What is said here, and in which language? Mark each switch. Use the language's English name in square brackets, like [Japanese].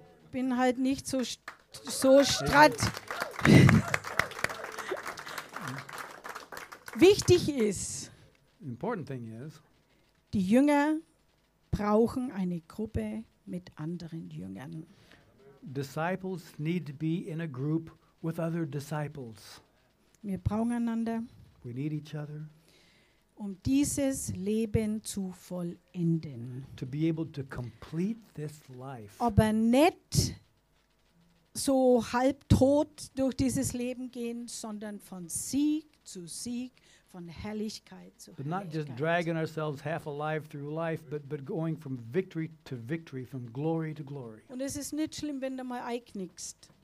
[German] Bin halt nicht so stratt. Wichtig ist. [English] Important thing is. [German] Die Jünger brauchen eine Gruppe mit anderen Jüngern. [English] Disciples need to be in a group with other disciples. [German] Wir brauchen einander. [English] We need each other. [German] Um dieses Leben zu vollenden. [English] To be able to complete this life. [German] Aber nicht so halb tot durch dieses Leben gehen, sondern von Sieg zu Sieg, von Herrlichkeit zu Herrlichkeit. [English] But not just dragging ourselves half alive through life, but going from victory to victory, from glory to glory. [German] Und es ist nicht schlimm, wenn du mal einknickst.